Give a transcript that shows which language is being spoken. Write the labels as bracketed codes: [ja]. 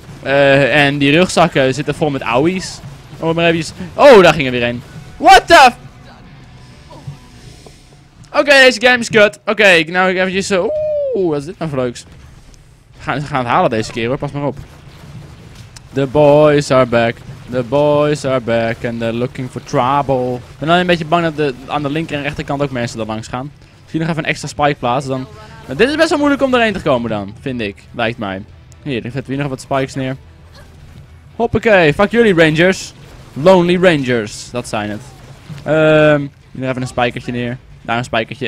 [nl] En die rugzakken zitten vol met owies. Oh, maar even. Oh, daar ging er weer een. [en] What the? [nl] Oké, deze game is kut. Oké, nou ik eventjes zo. Oeh, wat is dit nou voor leuks? We gaan het halen deze keer hoor, pas maar op. [en] The boys are back. The boys are back and they're looking for trouble. [nl] Ik ben alleen een beetje bang dat aan de linker en rechterkant ook mensen er langs gaan. Zie je nog even een extra spike plaatsen dan. Nou, dit is best wel moeilijk om erheen te komen dan, vind ik. Lijkt mij. Hier, dan zetten we hier nog wat spikes neer. Hoppakee, fuck jullie rangers. Lonely rangers, dat zijn het. Hier even een spijkertje neer. Daar een spijkertje.